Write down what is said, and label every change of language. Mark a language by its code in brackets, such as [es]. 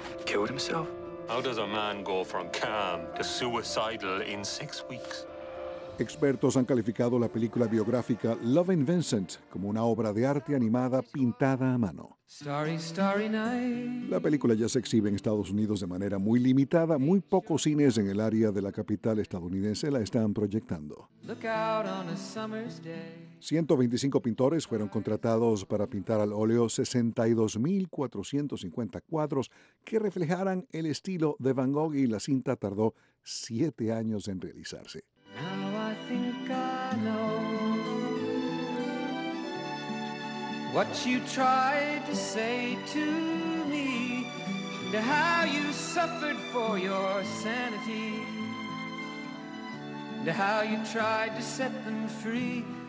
[en] How does a man go from calm to suicidal in 6 weeks? [es] Expertos han calificado la película biográfica Loving Vincent como una obra de arte animada pintada a mano. [en] Starry, starry night. [es] La película ya se exhibe en Estados Unidos de manera muy limitada. Muy pocos cines en el área de la capital estadounidense la están proyectando. [en] Look out on a summer's day. [es] 125 pintores fueron contratados para pintar al óleo 62.450 cuadros que reflejaran el estilo de Van Gogh, y la cinta tardó 7 años en realizarse. [en] Now I think I know what you tried to say to me, and how you suffered for your sanity, and how you tried to set them free.